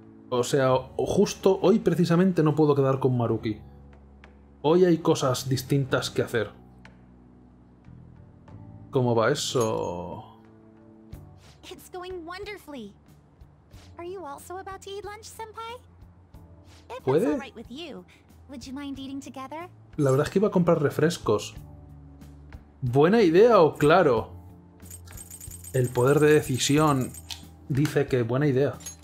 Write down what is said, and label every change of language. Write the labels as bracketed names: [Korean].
[Spanish] O sea, justo hoy precisamente no puedo quedar con Maruki. Hoy hay cosas distintas que hacer. ¿Cómo va eso? [English] It's going wonderfully. Are you also about to eat lunch, senpai? If that's all right with you, would you mind eating together? [Spanish] La verdad es que iba a comprar refrescos. ¿Buena idea o claro? El poder de decisión dice que buena idea.